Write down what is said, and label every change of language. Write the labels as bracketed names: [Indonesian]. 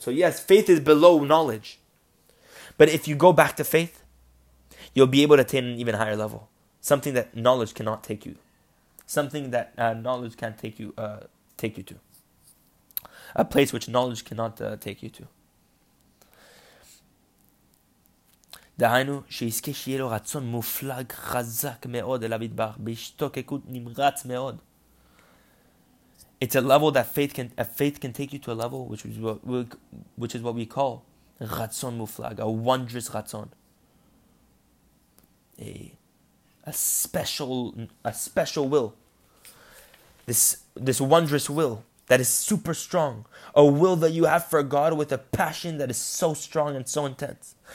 [English] So yes, faith is below knowledge. But if you go back to faith, you'll be able to attain an even higher level. Something that knowledge cannot take you. Something that knowledge can't take you to. A place which knowledge cannot take you to. [Hebrew] דהיינו שיזכה שיהיה לו רצון מופלג חזק מאוד אל המדבר בהשתוקקות נמרץ מאוד. [English] It's a level that faith can take you to a level which is what we call Ratzon Muflag, a wondrous Ratzon. A special will this wondrous will that is super strong, a will that you have for God with a passion that is so strong and so intense.